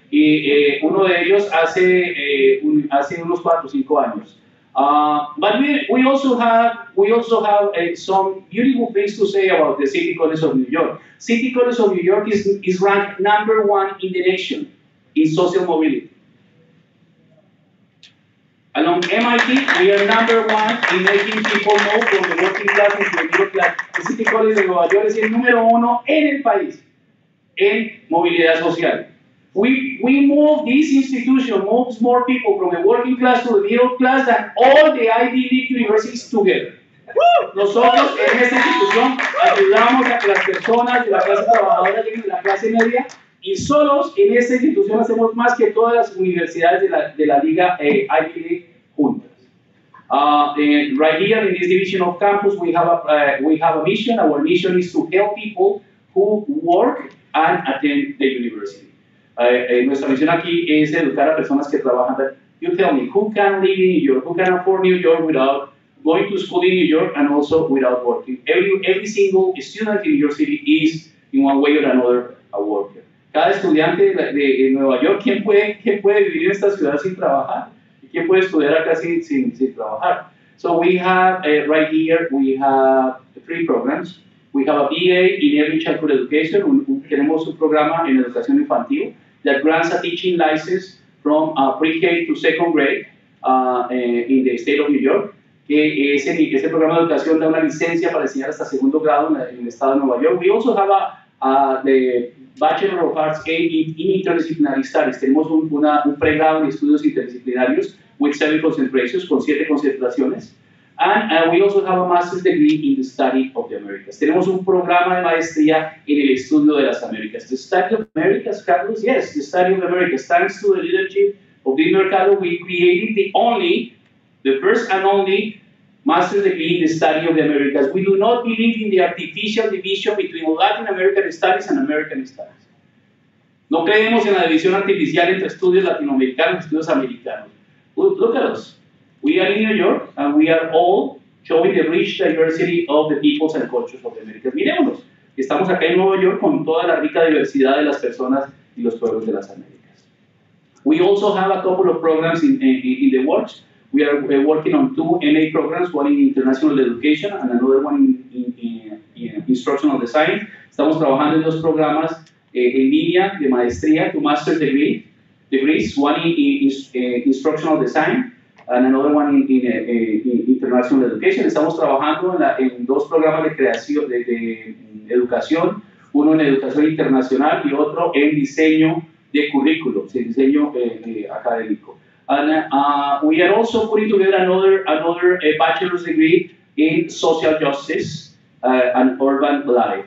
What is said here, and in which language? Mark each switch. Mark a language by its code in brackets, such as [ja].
[es] Y uno de ellos hace unos 4 or 5 años. [en] But we also have some beautiful things to say about the City College of New York. City College of New York is ranked number one in the nation in social mobility. Along MIT, we are number one in making people move from the working class into the middle class. The City College of Nueva York is the number one in the país in mobility social. We move, this institution moves more people from the working class to the middle class than all the Ivy League universities together. [es] Nosotros en esta institución ayudamos a que las personas de la clase trabajadora lleguen a la clase media y solos en esta institución hacemos más que todas las universidades de la Liga Ivy League juntas. [en] Right here in this division of campus we have a mission. Our mission is to help people who work and attend the university. [es] Nuestra misión aquí es educar a personas que trabajan. [en] But you tell me, who can live in New York? Who can afford New York without going to school in New York and also without working? Every single student in New York City is, in one way or another, a worker. [es] Cada estudiante de Nueva York, ¿quién puede vivir en esta ciudad sin trabajar? ¿Quién puede estudiar acá sin trabajar? [en] So we have, right here, we have 3 programs. We have a BA in Early Childhood Education. [es] Tenemos un programa en educación infantil [en] that grants a teaching license from pre-K to second grade in the state of New York. [es] Ese programa de educación da una licencia para enseñar hasta segundo grado en el estado de Nueva York. [en] We also have the Bachelor of Arts in Interdisciplinary Studies. [es] Tenemos un pregrado en estudios interdisciplinarios [en] with 7 concentrations, [es] con 7 concentraciones. [en] And we also have a master's degree in the study of the Americas. [es] Tenemos un programa de maestría en el estudio de las Américas. [en] The study of Americas, Carlos? Yes, the study of Americas. Thanks to the leadership of Dean Mercado, we created the only, the first and only master's degree in the study of the Americas. We do not believe in the artificial division between Latin American studies and American studies. [es] No creemos en la división artificial entre estudios latinoamericanos y estudios americanos. [en] Look at us. We are in New York, and we are all showing the rich diversity of the peoples and cultures of the Americas. [es] Mirémonos. Estamos acá en Nueva York con toda la rica diversidad de las personas y los pueblos de las Américas. [en] We also have a couple of programs in the works. We are working on two MA programs, one in international education and another one in instructional design. [es] Estamos trabajando en dos programas en línea de maestría, [en] two master degrees, one in instructional design and another one in international education. [es] Estamos trabajando en dos programas de creación de educación, uno en educación internacional y otro en diseño de currículos, en diseño académico. [en] And we are also putting together another bachelor's degree in social justice and urban life.